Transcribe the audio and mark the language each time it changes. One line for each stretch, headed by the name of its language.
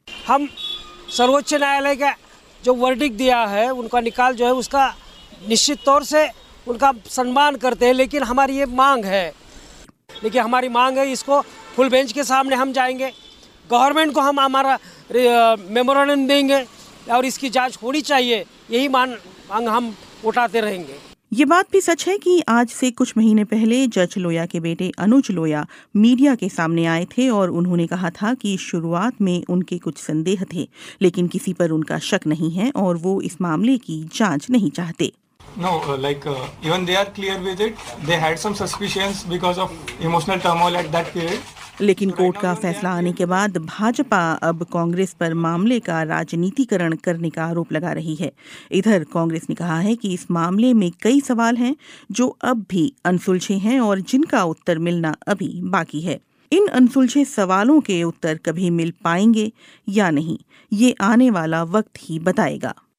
Hindi: हम सर्वोच्च न्यायालय का जो वर्डिक दिया है, उनका निकाल जो है, उसका निश्चित तौर से उनका सम्मान करते हैं, लेकिन हमारी ये मांग है, इसको फुल बेंच के सामने हम जाएंगे, गवर्नमेंट को हम हमारा मेमोरेंडम देंगे और इसकी जांच होनी चाहिए, यही मांग हम उठाते रहेंगे। ये बात भी सच है कि आज से कुछ महीने पहले जज लोया के बेटे अनुज लोया मीडिया के सामने आए थे और उन्होंने कहा था कि शुरुआत में उनके कुछ संदेह थे, लेकिन किसी पर उनका शक नहीं है और वो इस मामले की जांच नहीं चाहते।
English: No, like even they are clear with it. They had some suspicions because of emotional turmoil at that period.
Hindi: लेकिन कोर्ट का फैसला आने के बाद भाजपा अब कांग्रेस पर मामले का राजनीतिकरण करने का आरोप लगा रही है। इधर कांग्रेस ने कहा है कि इस मामले में कई सवाल हैं जो अब भी अनसुलझे हैं और जिनका उत्तर मिलना अभी बाकी है। इन अनसुलझे सवालों के उत्तर कभी मिल पाएंगे या नहीं, ये आने वाला वक्त ही बताएगा।